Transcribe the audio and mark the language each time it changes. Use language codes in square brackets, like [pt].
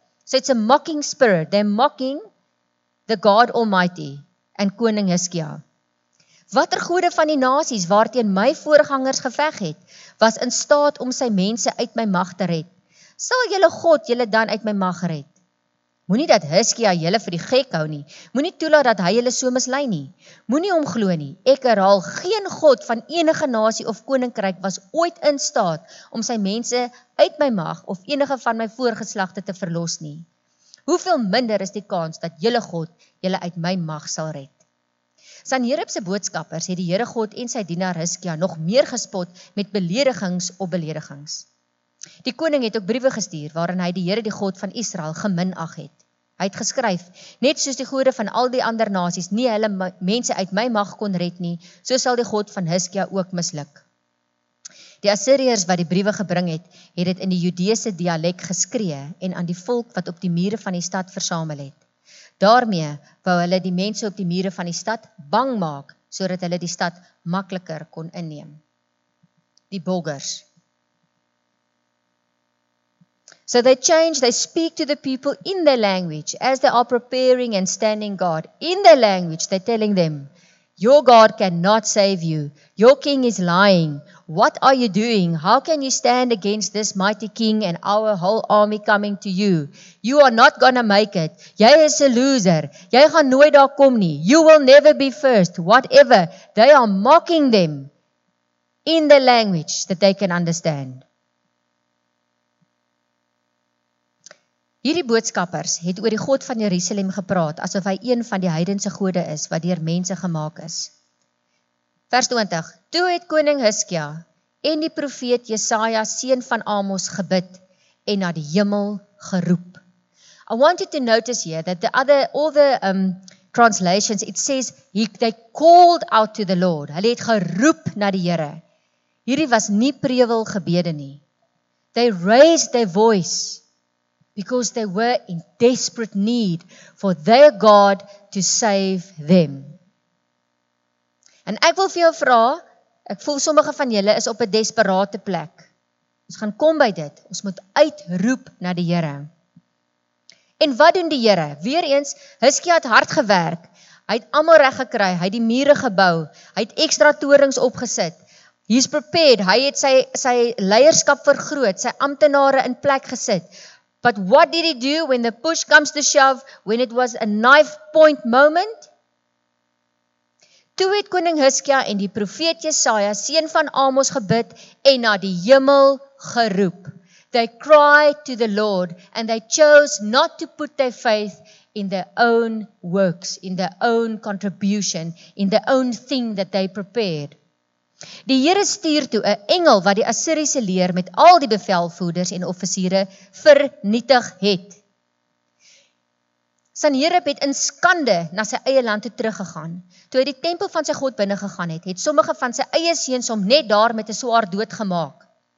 [en] So it's a mocking spirit, they're mocking the God Almighty [af] en koning Hizkia. Watter gode van die nasies waarteen my voorgangers geveg het, was in staat om sy mense uit my mag te red. Sal julle God julle dan uit my mag red? Moenie dat Hizkia julle vir die gek hou nie. Moenie toelaat dat hy julle so mislei nie. Moenie hom glo nie. Ek herhaal, geen god van enige nasie of koninkryk was ooit in staat om sy mense uit my mag of enige van my voorgeslagte te verlos nie. Hoeveel minder is die kans dat julle God julle uit my mag sal red? Sanherib's boodskappers het die Here God en sy dienaar Hizkia nog meer gespot met beledigings op beledigings. Die koning het ook briewe gestuur waarin hy die Here die God van Israel geminag het. Hy het geskryf, net soos die gode van al die ander nasies nie hulle mense uit my mag kon red nie, so sal die God van Hizkia ook misluk. Die Assiriërs wat die briewe gebring het, het dit in die Judeese dialek geskree en aan die volk wat op die mure van die stad versamel het. Daarmee wou hulle die mense op die mure van die stad bang maak, sodat hulle die stad makliker kon inneem. Die boggers. [en] So they change, they speak to the people in their language, as they are preparing and standing guard. In their language, they're telling them, your God cannot save you. Your king is lying. What are you doing? How can you stand against this mighty king and our whole army coming to you? You are not gonna make it. [af] Jy is [en] a loser. [af] Jy gaan nooit daar kom nie. [en] You will never be first. Whatever. They are mocking them in the language that they can understand. [af] Hierdie boodskappers het oor die God van Jerusalem gepraat, asof hy een van die heidense gode is, wat deur mense gemaak is. Vers 20, toe het koning Hizkia en die profeet Jesaja, seun van Amos, gebid en na die hemel geroep. [en] I want you to notice here that all the translations, it says, they called out to the Lord. [af] Hulle het geroep na die Here. Hierdie was nie prevel gebede nie. [en] They raised their voice. Because they were in desperate need for their God to save them. [af] En ek wil vir jou vra, ek voel sommige van julle is op 'n desperate plek. Ons gaan kom by dit, ons moet uitroep na die Here. En wat doen die Here? Weereens, Hizkia het hard gewerk, hy het almal reg gekry, hy het die mure gebou, hy het ekstra torings opgesit. [en] He's prepared, [af] hy het sy leierskap vergroot, sy amptenare in plek gesit. [en] But what did he do when the push comes to shove, when it was a knife point moment? [af] Toe het koning Hizkia en die profeet Jesaja, seun van Amos, gebid en na die hemel geroep. [en] They cried to the Lord and they chose not to put their faith in their own works, in their own contribution, in their own thing that they prepared. [af] Die Here stuur toe 'n engel wat die Assiriese leer met al die bevelvoerders en offisiere vernietig het. Sanherib het in skande na sy eie land toe teruggegaan. Toe hy die tempel van sy God binne gegaan het, het sommige van sy eie seuns hom net daar met 'n swaard doodgemaak.